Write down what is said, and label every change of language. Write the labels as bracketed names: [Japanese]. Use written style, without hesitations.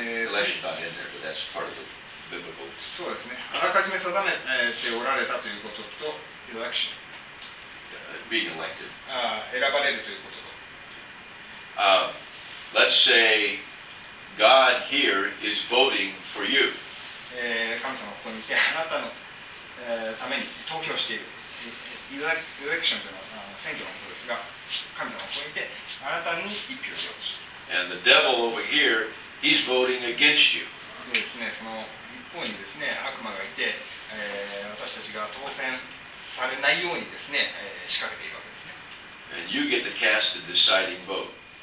[English] Election's not in there, but that's part of the biblical. [Japanese] そうですね。あらかじめ定めておられたということと、election. [English] Being elected. [Japanese] 選ばれるということと。 [English] Let's say God here is voting for you. [Japanese] 神様ここにいて、あなたの、ために投票している。 Election というのは選挙のことですが、神様ここにいて、あなたに一票を投じる。 [English] And the devil over here, he's voting against you. [Japanese] でですね、その一方にですね、悪魔がいて、私たちが当選されないようにですね、仕掛けているわけですね。 [English] And you get to cast the deciding vote.